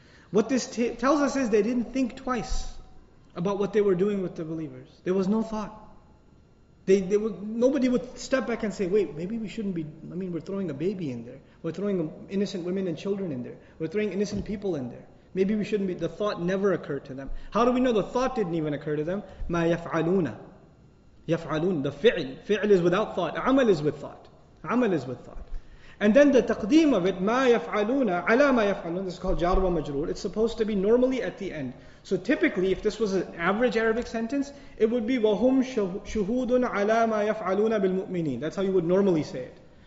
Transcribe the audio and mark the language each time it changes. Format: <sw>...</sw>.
<en>What this tells us is they didn't think twice about what they were doing with the believers. There was no thought. Nobody would step back and say, wait, maybe we shouldn't be, I mean, we're throwing a baby in there. We're throwing innocent women and children in there. We're throwing innocent people in there. Maybe we shouldn't be, the thought never occurred to them. How do we know the thought didn't even occur to them?</en> <ar>مَا يَفْعَلُونَ يَفْعَلُونَ The fi'l.</ar> <en>Fi'l is without thought. Amal is with thought. Amal is with thought. And then the taqdeem of it,</en> <ar>مَا يَفْعَلُونَ عَلَى مَا يَفْعَلُونَ</ar> <en>This is called</en> <ar>جَارْ وَمَجْرُورِ</ar> <en>It's supposed to be normally at the end. So typically, if this was an average Arabic sentence, it would be</en> <ar>وَهُمْ شُهُودٌ عَلَى مَا يَفْعَلُونَ بِالْمُؤْمِنِينَ</ar> <en>That's how you would normally say it.</en>